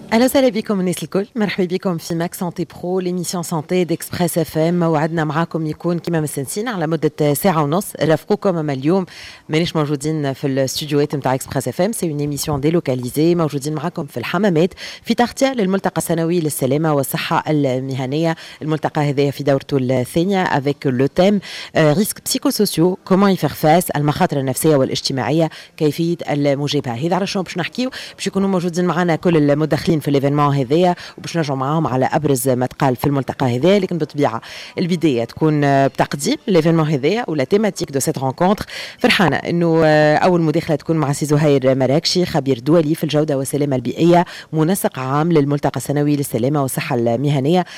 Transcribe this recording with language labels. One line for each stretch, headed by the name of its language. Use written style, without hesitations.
French: Alors salut bien comme Nesli Kol. Merci bien comme Max Santé Pro, l'émission santé d'Express FM.
Arabic: وعدنا معاكم يكون كيما مسنسين على مدة ساعة ونص. رافقوكم اما اليوم مانيش موجودين في الاستوديو تاع إكسبريس FM.
French: C'est une émission délocalisée.
Arabic: موجودين معاكم في الحمامات في تغطية للملتقى السنوي للسلامة والصحة المهنية. الملتقى هذا في دورته الثانية
French: avec le thème risques psychosociaux. Comment y faire face à la
Arabic: المخاطر النفسية والاجتماعية كيفية المجابهة. هذا علاش باش نحكيو باش يكونوا موجودين معنا كل المدخلين في الايفينمون هذايا وباش نرجعوا معاهم على ابرز ما تقال في الملتقى هذايا. لكن بالطبيعه البدايه تكون بتقديم الايفينمون هذايا ولا
French: تيماتيك دو سيت رونكونتر.
Arabic: فرحانه انه اول مداخله تكون مع سي زهير مراكشي خبير دولي في الجوده والسلامه البيئيه منسق عام للملتقى السنوي للسلامه والصحه المهنيه.